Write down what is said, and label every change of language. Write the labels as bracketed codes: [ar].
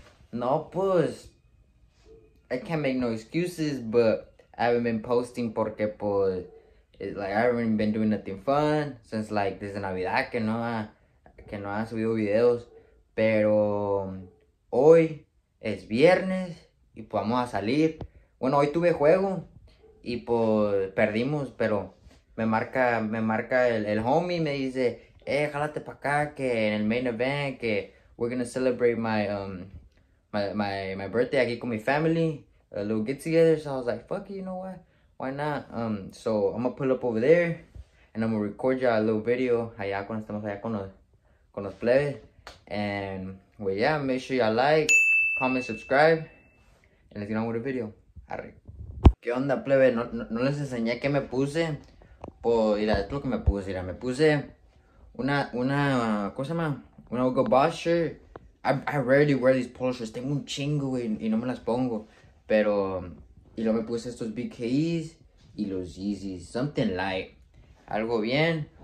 [en] No, pues, I can't make no excuses, but I haven't been posting [es] porque, pues, [en] it's like, I haven't been doing nothing fun since, like, [es] desde Navidad, que no ha subido videos. Pero hoy es viernes y pues vamos a salir. Bueno, hoy tuve juego y pues perdimos, pero me marca el homie, me dice, jálate para acá, que en el main event, que [en] we're gonna celebrate my birthday [es] aquí con mi family, [en] a little get together. So I was like, fuck it, you know what, why not. So I'm gonna pull up over there and I'm gonna record y'all a little video [es] allá cuando estamos allá con los plebes. [en] And well, yeah, make sure y'all like, comment, subscribe, and let's get on with the video. [es] Arre. ¿Qué onda, plebe? No les enseñé qué me puse. Pues mira, esto es lo que me puse. Mira, me puse una ¿cómo se llama? [en] Una Hugo Boss shirt. I rarely wear these polo shirts. [es] Tengo un chingo y no me las pongo. Pero y luego me puse estos BKEs y los Yeezys. [en] Something light. [es] Algo bien.